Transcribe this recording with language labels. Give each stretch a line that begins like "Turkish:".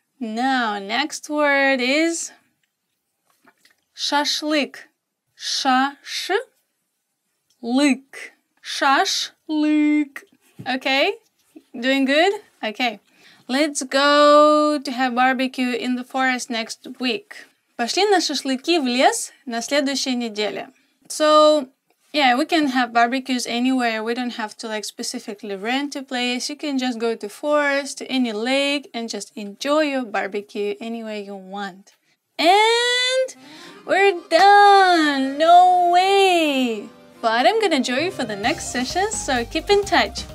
English: Now, next word is шашлык. Шашлык. Шашлык. Okay? Doing good? Okay. Let's go to have barbecue in the forest next week.
Russian: Пошли на шашлыки в лес на следующей неделе.
English: So, yeah, we can have barbecues anywhere. We don't have to, like, specifically rent a place. You can just go to forest, to any lake, and just enjoy your barbecue any way you want. And we're done! No way! But I'm gonna join you for the next session, so keep in touch.